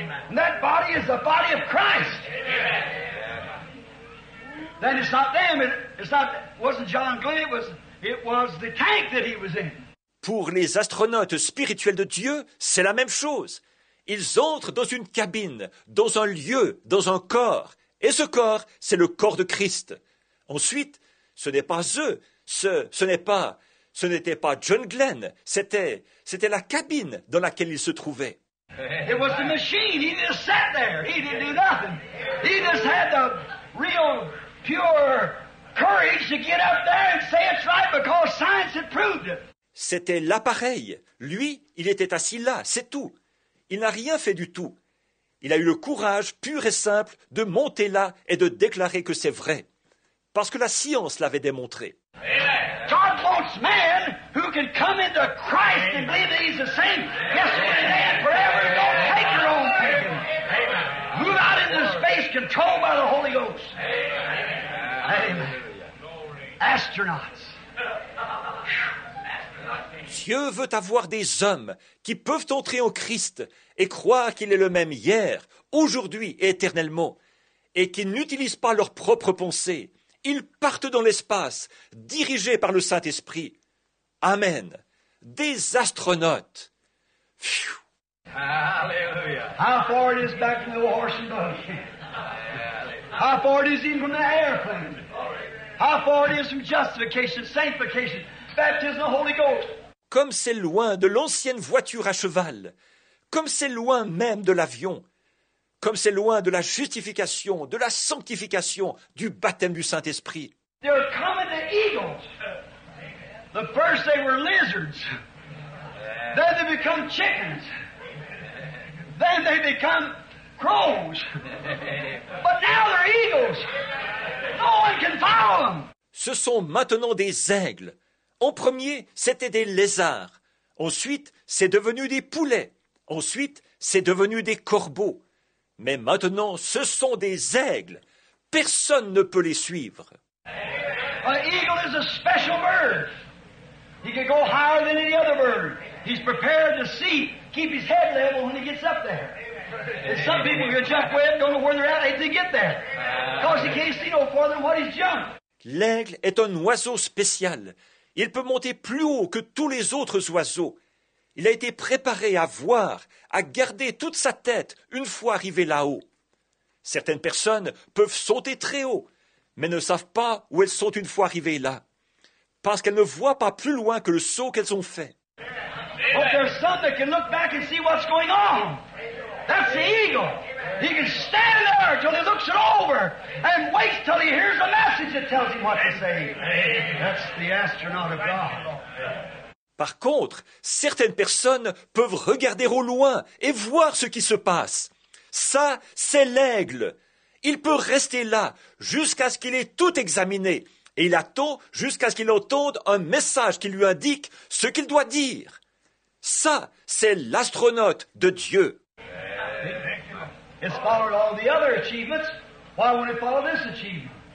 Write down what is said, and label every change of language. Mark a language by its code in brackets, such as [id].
[en] And that body is the body of Christ. Then it's not them. It wasn't John Glenn. It was the tank that he was in. [fr] Pour les astronautes spirituels de Dieu, c'est la même chose. Ils entrent dans une cabine, dans un lieu, dans un corps. Et ce corps, c'est le corps de Christ. Ensuite, ce n'est pas eux, ce n'était pas John Glenn, c'était la cabine dans laquelle il se trouvait. [en] It was the machine. He just sat there. He didn't do nothing. He just had the real, pure courage to get up there and say it's right because science had proved it. [fr] C'était l'appareil. Lui, il était assis là, c'est tout. Il n'a rien fait du tout. Il a eu le courage pur et simple de monter là et de déclarer que c'est vrai. Parce que la science l'avait démontré. [en] God wants man who can come into Christ and believe that he's the same yesterday and forever and don't take your own opinion. Move out into space controlled by the Holy Ghost. Amen. Astronauts. [fr] Dieu veut avoir des hommes qui peuvent entrer en Christ et croire qu'il est le même hier, aujourd'hui et éternellement, et qui n'utilisent pas leur propre pensée. Ils partent dans l'espace, dirigés par le Saint-Esprit. Amen. Des astronautes. [en] Phew. Hallelujah. How far it is back from the horse and buggy? How far it is even from the airplane? How far it is from justification, sanctification, baptism of the Holy Ghost? [fr] Comme c'est loin de l'ancienne voiture à cheval. Comme c'est loin même de l'avion. Comme c'est loin de la justification, de la sanctification, du baptême du Saint-Esprit. [en] They're coming to eagles. The first they were lizards. Then they become chickens. Then they become crows. But now they're eagles. No one can follow them. [fr] Ce sont maintenant des aigles. En premier, c'était des lézards. Ensuite, c'est devenu des poulets. Ensuite, c'est devenu des corbeaux. Mais maintenant, ce sont des aigles. Personne ne peut les suivre. [en] An eagle is a special bird. He can go higher than any other bird. He's prepared to see, keep his head level when he gets up there. And some people can jump way up, don't know where they're at, they get there. Because he can't see no farther than what he's jumped. [fr] L'aigle est un oiseau spécial. Il peut monter plus haut que tous les autres oiseaux. Il a été préparé à voir, à garder toute sa tête une fois arrivé là-haut. Certaines personnes peuvent sauter très haut, mais ne savent pas où elles sont une fois arrivées là, parce qu'elles ne voient pas plus loin que le saut qu'elles ont fait. [en] But there's some that can look back and see what's going on. That's the eagle. He can stand there till he looks it over and waits till he hears the message that tells him what to say. That's the astronaut of God. [fr] Par contre, certaines personnes peuvent regarder au loin et voir ce qui se passe. Ça, c'est l'aigle. Il peut rester là jusqu'à ce qu'il ait tout examiné. Et il attend jusqu'à ce qu'il entende un message qui lui indique ce qu'il doit dire. Ça, c'est l'astronaute de Dieu. [en] It's followed all the other achievements. Why would it follow this achievement?